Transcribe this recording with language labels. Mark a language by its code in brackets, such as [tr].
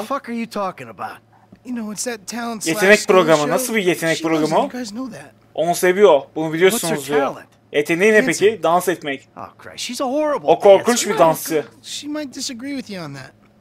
[en] The fuck are you talking about? You know, it's that talent. [tr] Yetenek programı. Nasıl bir yetenek programı? [en] You guys know that. [tr] Onu seviyor. Bunu biliyorsunuz diyor. Yeteneği ne peki? Dans etmek. [en] Oh Christ, she's a horrible. [tr] O korkunç bir dansçı. [en] She might disagree with you on that.